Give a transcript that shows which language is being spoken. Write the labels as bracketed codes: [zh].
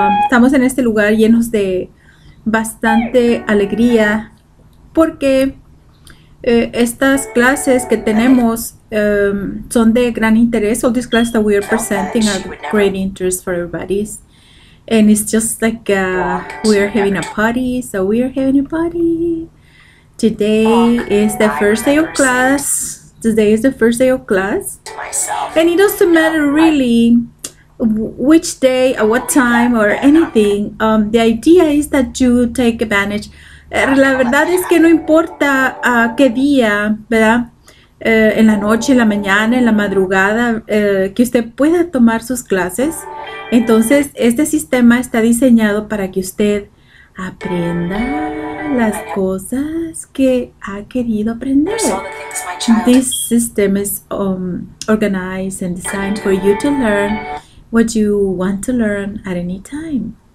[es] Estamos en este lugar llenos de bastante alegría porque estas clases que tenemos son de gran interés. [en] All these classes that we are presenting are great interest for everybody. And it's just like we are having a party. So we are having a party. Today is the first day of class. Today is the first day of class. And it doesn't matter really which day or what time or anything. The idea is that you take advantage. [es] La verdad es que no importa qué día, ¿verdad? En la noche, en la mañana, en la madrugada, que usted pueda tomar sus clases. Entonces, este sistema está diseñado para que usted aprenda las cosas que ha querido aprender. [en] This system is organized and designed for you to learn what you want to learn at any time.